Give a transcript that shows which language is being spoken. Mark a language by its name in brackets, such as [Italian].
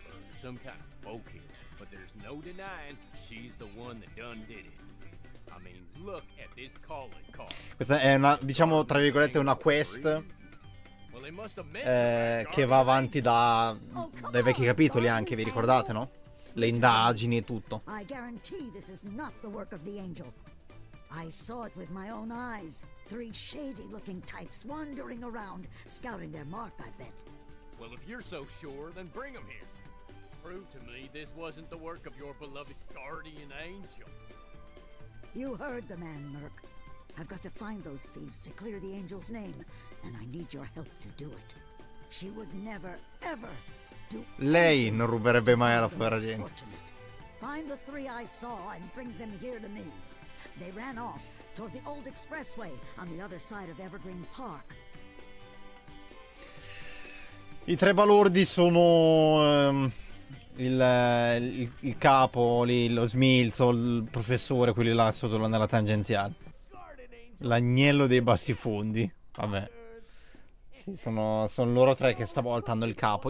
[English] Some kind of folk here, but there's no denying she's the one that done did it. I mean, look at this calling card. [Italian] Questa è una, diciamo, tra virgolette, una quest che va avanti dai vecchi capitoli anche, vi ricordate, no? Le indagini e tutto. [English] I guarantee this is not the work of the angel. I saw it with my own eyes. Three shady looking types wandering around, scouting their mark, I bet. Well, if you're so sure, then bring them here. Prove to me this wasn't the work of your beloved guardian angel. You heard the man, Merc. I've got to find those thieves to clear the angel's name, and I need your help to do it. She would never, ever do. [Italian] Lei non ruberebbe mai alla povera gente. [English] Find the three I saw and bring them here to me. They ran off toward the old expressway on the other side of Evergreen Park. [Italian] I tre balordi sono il capo lì, lo smilzo, il professore, quelli là sotto nella tangenziale. L'agnello dei bassi fondi. Vabbè. Sì, sono loro tre che stavolta hanno il capo.